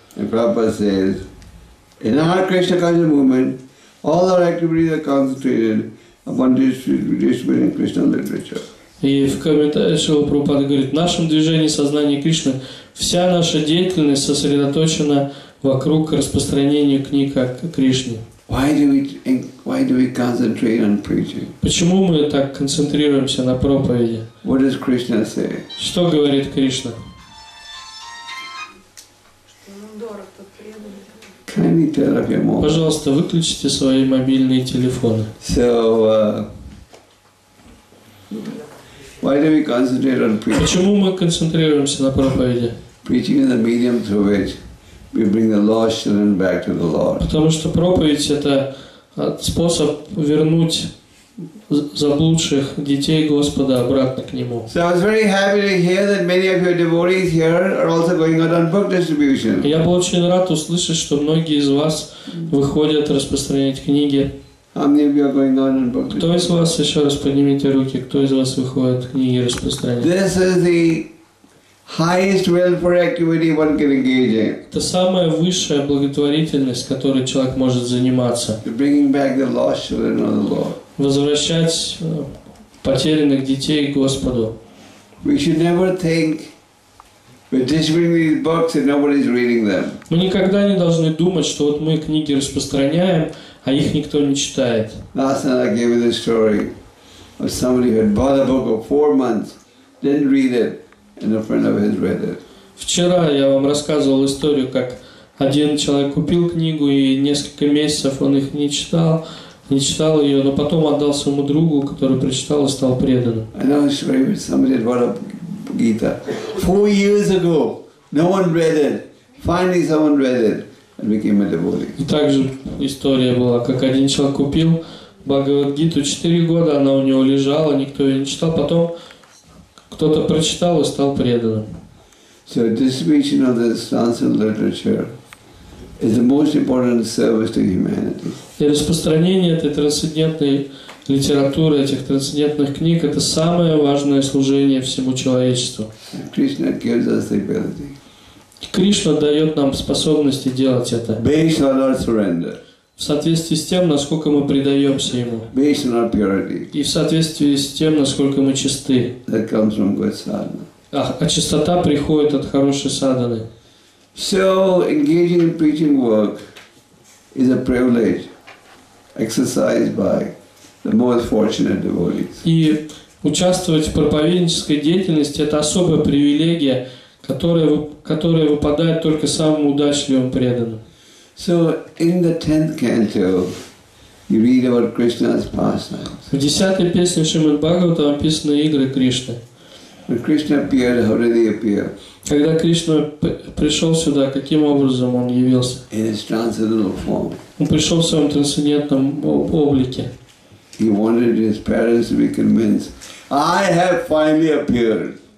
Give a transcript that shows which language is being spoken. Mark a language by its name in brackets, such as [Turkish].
[English] And Prabhupada says, in our Krishna conscious movement, all our activities are concentrated upon distributing Krishna literature. [Russian] И в комментариях Шрила Прабхупада говорит, в нашем движении сознания Кришны вся наша деятельность сосредоточена вокруг распространения книг о Кришне. [English] Why do we concentrate on preaching? [Russian] Почему мы так концентрируемся на проповеди? [English] What does Krishna say? [Russian] Что говорит Кришна? [English] Can you turn off your mobile? [Russian] Пожалуйста, выключите свои мобильные телефоны. [English] So, why do we concentrate on preaching? [Russian] Почему мы концентрируемся на проповеди? [English] Preaching is the medium through which we bring the lost children back to the Lord. [Russian] Потому что проповедь – это способ вернуть заблудших детей Господа обратно к Нему. [English] So I was very happy to hear that many of your devotees here are also going out on book distribution. [Russian] Я был очень рад услышать, что многие из вас выходят распространять книги. [English] How many of you are going out on book distribution? [Russian] Кто из вас, еще раз поднимите руки, кто из вас выходит книги распространять? [English] This is the highest welfare activity one can engage in. [Russian] Это самая высшая благотворительность, которой человек может заниматься. [English] Bringing back the lost children of the Lord. [Russian] Возвращать потерянных детей Господу. [English] We should never think we're distributing these books and nobody's reading them. [Russian] Мы никогда не должны думать, что вот мы книги распространяем, а их никто не читает. [English] Last night I gave you the story of somebody who had bought a book for 4 months, didn't read it. And a friend of his read it. [Russian] Вчера я вам рассказывал историю, как один человек купил книгу и несколько месяцев он их не читал ее, но потом отдал своему другу, который прочитал и стал преданным. [English] I know it's very good. Somebody had bought a Gita 4 years ago. No one read it. Finally, someone read it and became a devotee. [Russian] И также история была, как один человек купил Бхагавад-гиту 4 года, она у него лежала, никто ее не читал, потом кто-то прочитал и стал преданным. [English] So distribution of the transcendental literature is the most important service to humanity. [Russian] И распространение этой трансцендентной литературы, этих трансцендентных книг, это самое важное служение всему человечеству. [English] Krishna gives us the ability. [Russian] Кришна дает нам способности делать это. [English] Based on our surrender. [Russian] В соответствии с тем, насколько мы предаемся Ему. [English] Based on our purity. [Russian] И в соответствии с тем, насколько мы чисты. [English] That comes from good sadhana. [Russian] А чистота приходит от хорошей садханы. [English] So, engaging in preaching work is a privilege exercised by the most fortunate devotees. [Russian] И участвовать в проповеднической деятельности – это особая привилегия, которая выпадает только самым удачливым преданным. [English] So in the 10th canto, you read about Krishna's pastimes. [Russian] В 10-й песне Шримад Бхагаватам описаны игры Кришны. [English] When Krishna appeared, how did he appear? [Russian] Когда Кришна пришел сюда, каким образом он явился? [English] In his transcendental form. [Russian] Он пришел в своем трансцендентном облике. [English] He wanted his parents to be convinced. I have finally appeared.